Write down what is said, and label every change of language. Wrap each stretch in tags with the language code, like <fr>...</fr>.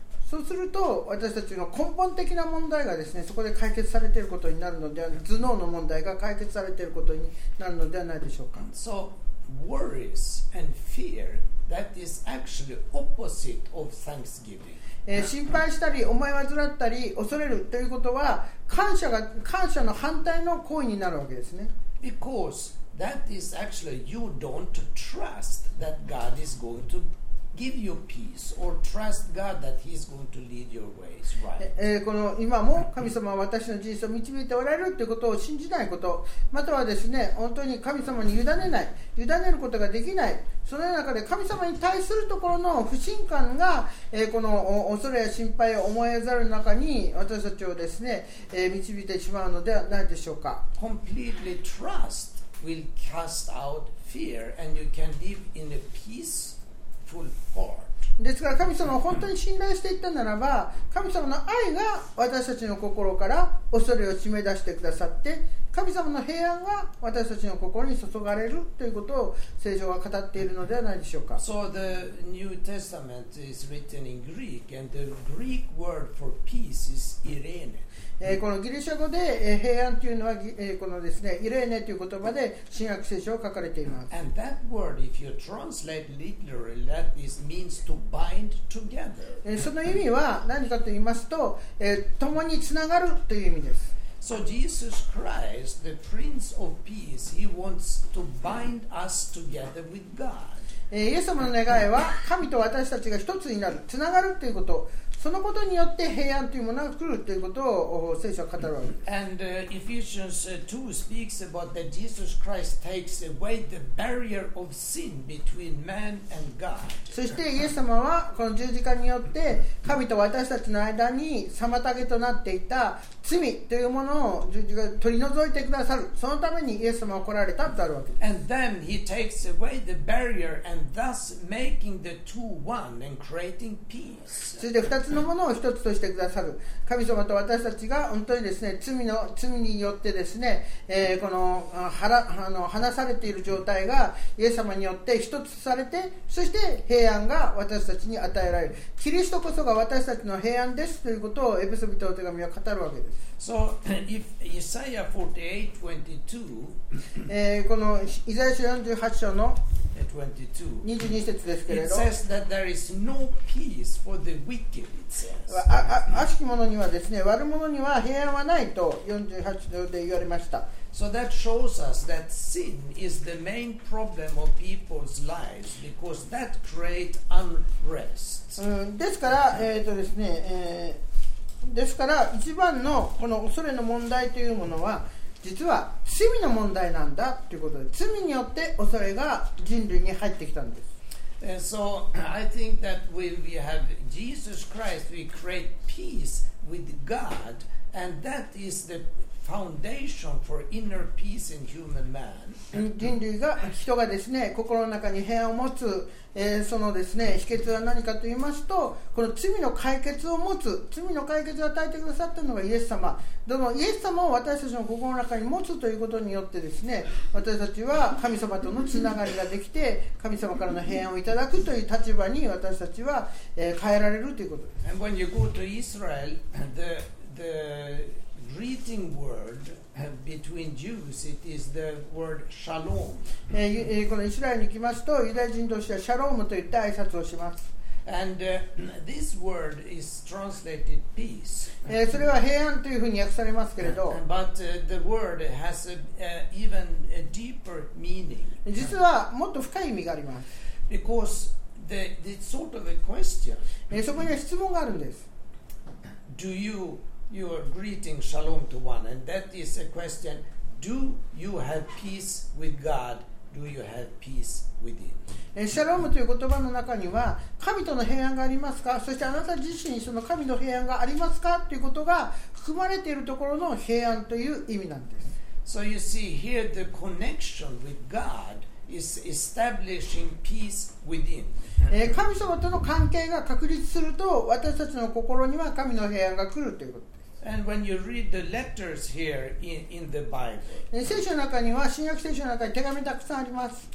<ja>そうすると私たちの根本的な問題がですね、そこで解決されていることになるのでは、頭脳の問題が解決されていることになるのではないでしょうか。</ja> <en>So worries and fear, that is actually opposite of thanksgiving.</en> <ja>心配したり思い煩ったり恐れるということは、感謝の反対の行為になるわけですね。</ja> <en>Because that is actually you don't trust that God is going to give you peace or trust God that He's going to lead your ways right.</en> <ja>この今も神様は私の人生を導いておられるということを信じないこと、またはですね、本当に神様に委ねない、委ねることができない、そのような中で神様に対するところの不信感が、この恐れや心配を思いざる中に私たちをですね、導いてしまうのではないでしょうか。</ja> <en>Completely trust will cast out fear and you can live in a peaceful heart.</en> <ja>ですから神様を本当に信頼していったならば、神様の愛が私たちの心から恐れを締め出してくださって、神様の平安が私たちの心に注がれるということを聖書は語っているのではないでしょうか。</ja> <en>So the New Testament is written in Greek and the Greek word for peace is Irene.</en> <ja>このギリシャ語で平安というのはこのですね、イレーネという言葉で新約聖書を書かれています。</ja> <en>And that word if you translate literally that is means to bind together.</en> <ja>その意味は何かと言いますと、共につながるという意味です。</ja> <en>So Jesus Christ, the Prince of Peace, He wants to bind us together with God.</en> <ja>イエス様の願いは神と私たちが一つになる、つながるということ、そのことによって平安というものが来るということを聖書は語るわけです。</ja> <en>And Ephesians 2 speaks about that Jesus Christ takes away the barrier of sin between man and God.</en> <ja>そしてイエス様はこの十字架によって神と私たちの間に妨げとなっていた罪というものを十字架で取り除いてくださる。そのためにイエス様は来られたとあるわけです。</ja> <en>And then He takes away the barrier and thus making the two one and creating peace.</en> <ja>それで2つのものを一つとしてくださる。神様と私たちが本当にですね、罪によってですね、この離されている状態がイエス様によって一つされて、そして平安が私たちに与えられる。キリストこそが私たちの平安ですということをエペソ人の手紙は語るわけです。</ja> <en>So if Isaiah 48:22</en> <ja>このイザヤ書48章の 22 節ですけれど、</ja> <en>It says that there is no peace for the wicked, it says.</en> <ja>悪しき者にはですね、悪者には平安はないと48章で言われました。</ja> <en>So that shows us that sin is the main problem of people's lives because that creates unrest.</en> <ja>ですから、ですね、ですから一番のこの恐れの問題というものは実は罪の問題なんだということで、罪によって恐れが人類に入ってきたんです。</ja> <en>And so I think that when we have Jesus Christ we create peace with God and that is the foundation for inner peace in human man.</en> <ja>人類が人がですね、心の中に平安を持つ、そのですね、秘訣は何かと言いますと、この罪の解決を持つ、罪の解決を与えてくださったのがイエス様。どのイエス様を私たちの心の中に持つということによってですね、私たちは神様とのつながりができて、神様からの平安をいただくという立場に私たちは、変えられるということです。</ja> <en>And when you go to Israel, the greeting word between Jews, it is the word shalom.</en> <ja>このイスラエルに行きますと、ユダヤ人同士はシャロームといった挨拶をします。</ja> <en>And this word is translated peace.</en> <ja>それは平安というふうに訳されますけれど、</ja> <en>But the word has even a deeper meaning.</en> <ja>実はもっと深い意味があります。</ja> <en>Because the sort of a question.</en> <ja>そこには質問があるんです。</ja> <en>Do youYou are greeting shalom to one, and that is a question: Do you have peace with God? Do you have peace within?</en> <ja>シャロームという言葉の中には神との平安がありますか、そしてあなた自身にその神の平安がありますかということが含まれているところの平安という意味なんです。</ja> <en>So you see here the connection with God. Is establishing peace within.</en> <ja>神様との関係が確立すると私たちの心には神の平安が来るということです。</ja> <en>And when you read the letters here in the Bible,</en> <ja>聖書の中には新約聖書の中に手紙たくさんあります。</ja>